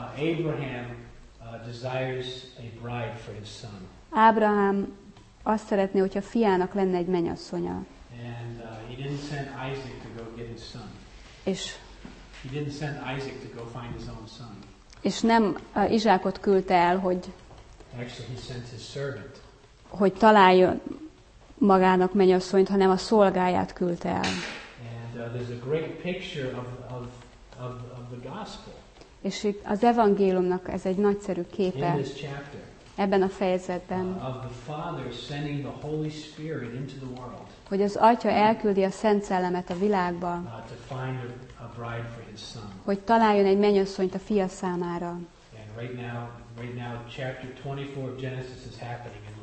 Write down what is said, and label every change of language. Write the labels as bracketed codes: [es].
[en] Abraham desires a bride for his son. [hu] Ábrahám azt szeretné, hogyha fiának lenne egy menyasszonya. [en] And he didn't send Isaac to go get his son. [hu] És [en] he didn't send Isaac to go find his own son. [hu] És nem Izsákot küldte el, hogy [en] actually he sent his servant. [hu] Hogy találjon magának menyasszonyt, hanem a szolgáját küldte el. [en] And, there's a great picture of the gospel. [hu] És itt az evangéliumnak ez egy nagyszerű képe. [en] In this chapter, [hu] ebben a fejezetben. [en] Of the Father sending the Holy Spirit into the world. [hu] Hogy az Atya elküldi a Szent Szellemet a világba. [en] To find a bride for his son. [hu] Hogy találjon egy menyasszonyt a fia számára. [en] And right now chapter 24 of Genesis is happening.